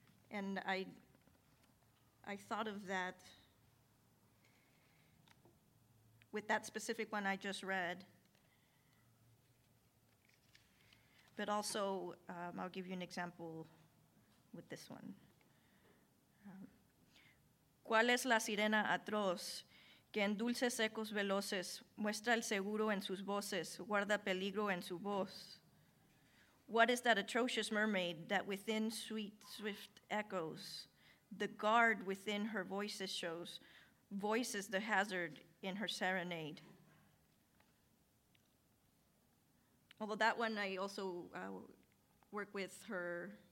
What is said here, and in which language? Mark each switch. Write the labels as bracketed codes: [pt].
[en] And I thought of that with that specific one I just read. But also, I'll give you an example with this one. [es] ¿Cuál es la sirena atroz que en dulces ecos veloces muestra el seguro en sus voces, guarda peligro en su voz? [en] What is that atrocious mermaid that within sweet, swift echoes the guard within her voices shows, voices the hazard in her serenade? Although that one I also work with her.